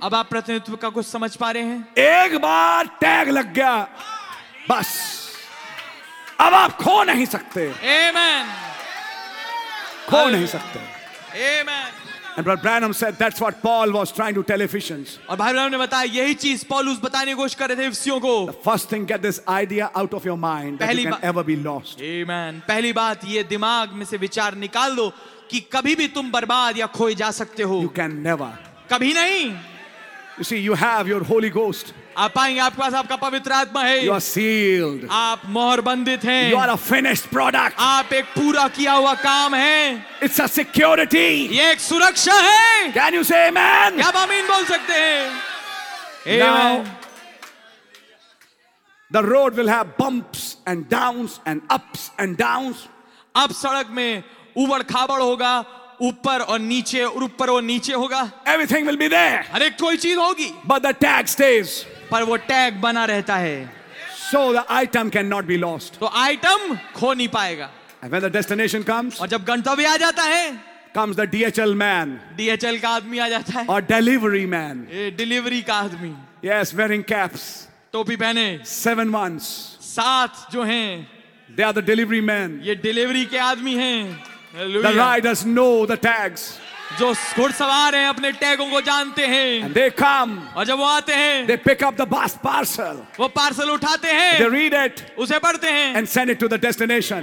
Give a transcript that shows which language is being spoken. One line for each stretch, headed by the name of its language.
Hindi: अब आप प्रतिनिधित्व का कुछ समझ पा रहे हैं? एक बार टैग लग गया, बस अब आप खो नहीं सकते.
English: Amen.
Hindi: खो नहीं सकते.
English: Amen. And Brother Branham said that's what Paul was trying to tell Ephesians.
Hindi: और भाई ब्रैनम ने बताया यही चीज़ पॉलस बताने की कोशिश कर रहे थे इफिसियों को.
English: The first thing, get this idea out of your mind that you can ever be lost. Amen.
Hindi: पहली बात, ये दिमाग में से विचार निकाल दो कि कभी भी तुम बर्बाद या खोए जा सकते हो.
English: You can never.
Hindi: कभी नहीं.
English: You see, you have your Holy Ghost.
Hindi: आप आएंगे, आपके पास आपका पवित्र आत्मा है.
English: You are sealed.
Hindi: आप मोहर बंधित हैं.
English: You are a finished product.
Hindi: आप एक पूरा किया हुआ काम हैं.
English: It's a security.
Hindi: ये एक सुरक्षा है.
English: Can you say amen?
Hindi: क्या आमीन बोल सकते हैं?
English: Now, the road will have bumps and downs and ups and downs.
Hindi: अब सड़क में उबड़ खाबड़ होगा, ऊपर और नीचे, और ऊपर और नीचे होगा.
English: Everything will be there.
Hindi: हर एक कोई चीज होगी.
English: But the tag stays.
Hindi: पर वो टैग बना रहता है.
English: So the item cannot be lost.
Hindi: तो आइटम खो नहीं पाएगा.
English: And when the destination comes.
Hindi: और जब गंतव्य आ जाता है.
English: Comes the DHL man.
Hindi: DHL का आदमी आ जाता है. और
English: delivery man.
Hindi: डिलीवरी का आदमी.
English: Yes, wearing caps.
Hindi: टोपी पहने.
English: 7 months.
Hindi: सात जो हैं.
English: They are the delivery man.
Hindi: ये डिलीवरी के आदमी हैं.
English: The riders know the tags.
Hindi: जो घुड़सवार हैं अपने टैगों को जानते हैं.
English: And they come.
Hindi: और जब वो आते हैं.
English: They pick up the bus parcel.
Hindi: वो पार्सल उठाते हैं.
English: They read it.
Hindi: उसे पढ़ते हैं.
English: And send it to the destination.